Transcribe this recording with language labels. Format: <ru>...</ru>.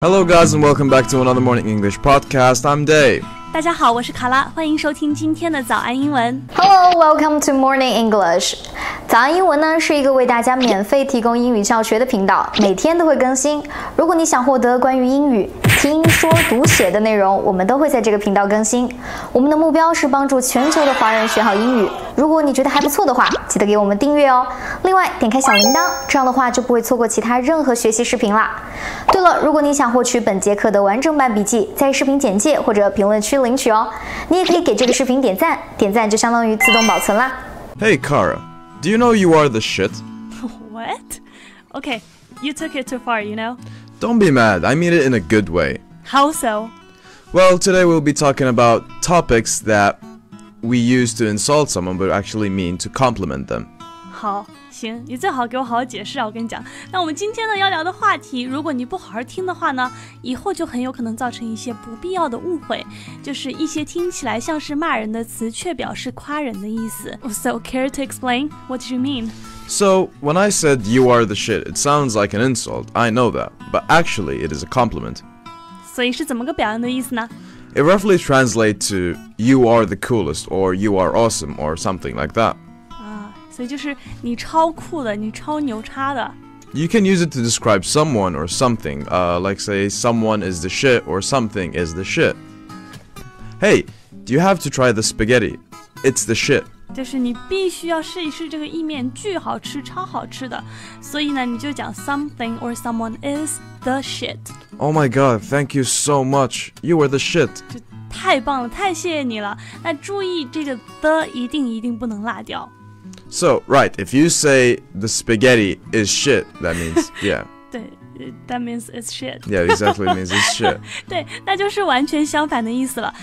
<en>Hello guys and welcome back to another Morning English Podcast. I'm Dave.</en> <zh>大家好，我是卡拉，欢迎收听今天的早安英文。</zh> <en>Hello, welcome to Morning English.</en> <zh>早安英文呢是一个为大家免费提供英语教学的频道，每天都会更新。如果你想获得关于英语听说读写的内容，我们都会在这个频道更新。我们的目标是帮助全球的华人学好英语。如果你觉得还不错的话，记得给我们订阅哦。另外，点开小铃铛，这样的话就不会错过其他任何学习视频啦。对了，如果你想获取本节课的完整版笔记，在视频简介或者评论区领取哦。你也可以给这个视频点赞，点赞就相当于自动保存啦。</zh> <en>Hey, Kara, do you know you are the shit? What? Okay, you took it too far, you know? Don't be mad, I mean it in a good way. How so? Well, today we'll be talking about topics that we use to insult someone but actually mean to compliment them.</en> <zh>好，行，你最好给我好好解释啊，我跟你讲。那我们今天呢要聊的话题，如果你不好好听的话呢，以后就很有可能造成一些不必要的误会，就是一些听起来像是骂人的词却表示夸人的意思。</zh> <en>So, care to explain? What do you mean? So, when I said you are the shit, it sounds like an insult, I know that, but actually it is a compliment.</en> <zh>所以是怎么个表扬的意思呢?</zh> <en>It roughly translates to you are the coolest, or you are awesome, or something like that.</en> <zh>所以就是你超酷的,你超牛叉的。</zh> <en>You can use it to describe someone or something, like say someone is the shit or something is the shit. Hey, do you have to try the spaghetti? It's the shit.</en> <zh>就是你必须要试一试这个意面，巨好吃，超好吃的。所以呢，你就讲</zh> <en>something or someone is the shit. Oh my god, thank you so much. You are the shit.</en> <zh>就太棒了，太谢谢你了。那注意这个 the 一定不能落掉。</zh> <en>So, right, if you say the spaghetti is shit, that means, yeah. 对。That means it's shit. Yeah, exactly, it means it's shit.</en> <zh>对，那就是完全相反的意思了。</zh>